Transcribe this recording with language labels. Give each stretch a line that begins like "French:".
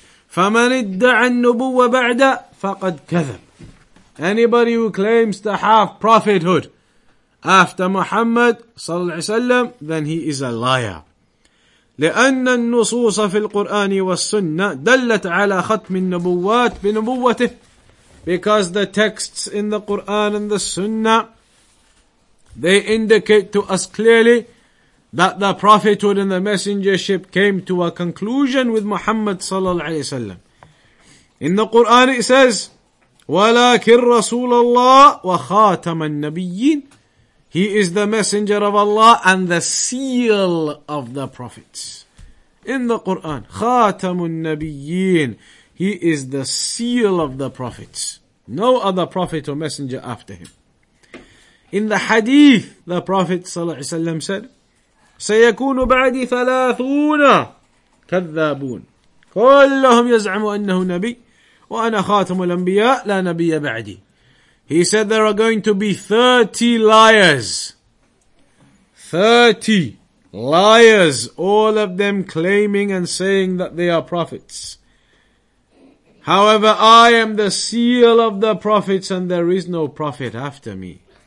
Arabic: فمن ادعى النبوة بعده فقد كذب.
English: Anybody who claims to have prophethood after Muhammad
Arabic: صلى الله عليه وسلم,
English: then he is a liar.
Arabic: لأن النصوص في القرآن والسنة دلت على ختم النبوات بنبوته.
English: Because the texts in the Quran and the Sunnah, they indicate to us clearly that the prophethood and the messengership came to a conclusion with Muhammad
Arabic: صلى الله عليه وسلم.
English: In the Quran it says,
Arabic: ولكن رسول الله وخاتم النبيين.
English: He is the messenger of Allah and the seal of the prophets. In the Quran,
Arabic: خاتم النبيين.
English: He is the seal of the prophets. No other prophet or messenger after him. In the hadith, the Prophet صلى الله عليه وسلم said,
Arabic: سيكون بعدي ثلاثون كذابون. كلهم يزعموا أنه نبي وأنا خاتم الأنبياء لا نبي بعدي.
English: He said there are going to be 30 liars. 30 liars, all of them claiming and saying that they are prophets. However, I am the seal of the prophets and there is no prophet after me.